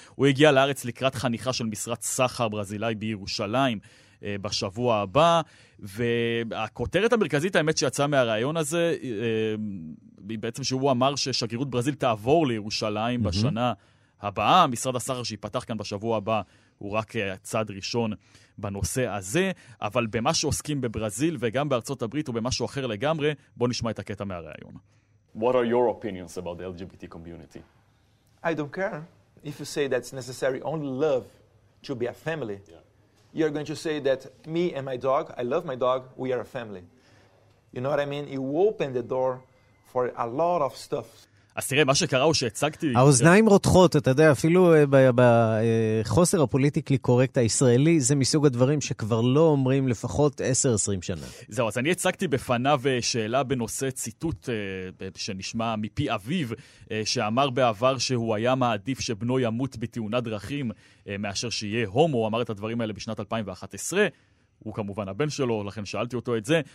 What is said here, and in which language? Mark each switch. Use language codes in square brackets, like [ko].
[he] הוא הגיע לארץ לקראת חניכה של משרת סחר ברזילאי בירושלים בשבוע הבא, והכותרת המרכזית, האמת שיצאה מהרעיון הזה, היא בעצם שהוא אמר ששגרירות ברזיל תעבור לירושלים בשנה הבאה. משרד הסחר שיפתח כאן בשבוע הבא הוא רק צד ראשון בנושא הזה, אבל במה שעוסקים בברזיל וגם בארצות הברית ובמשהו אחר לגמרי, בוא נשמע את הקטע מהרעיון. [en] What are your opinions about the LGBT community? I don't care if you say that's necessary only love to be a family. Yeah. You're going to say that me and my dog, I love my dog, we are a family. You know what I mean? You open the door for a lot of stuff. [he] אז תראה, מה שקרה הוא שהצגתי... האוזניים רותחות, אתה יודע, אפילו בחוסר הפוליטיקלי קורקט הישראלי, זה מסוג הדברים שכבר לא אומרים לפחות 10-20 שנה. זהו, אז אני הצגתי בפניו שאלה בנושא ציטוט שנשמע מפי אביו, שאמר בעבר שהוא היה מעדיף שבנו ימות בתאונת דרכים מאשר שיהיה הומו. הוא אמר את הדברים האלה בשנת 2011, הוא כמובן הבן שלו, לכן שאלתי אותו את זה.